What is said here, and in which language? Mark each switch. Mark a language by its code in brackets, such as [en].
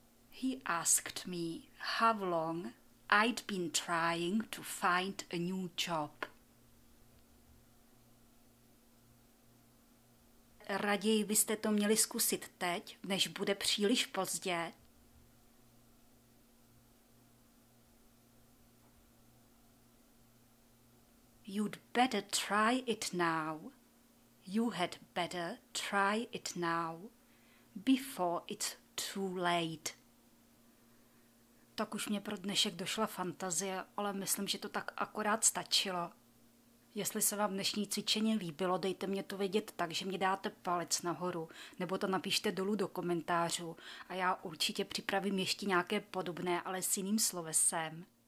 [en] He asked me how long I'd been trying to find a new job. [cs] Raději byste to měli zkusit teď, než bude příliš pozdě. [en] You'd better try it now. You had better try it now, before it's too late. [cs] Tak už mě pro dnešek došla fantazie, ale myslím, že to tak akorát stačilo. Jestli se vám dnešní cvičení líbilo, dejte mě to vědět tak, že mě dáte palec nahoru, nebo to napište dolů do komentářů a já určitě připravím ještě nějaké podobné, ale s jiným slovesem.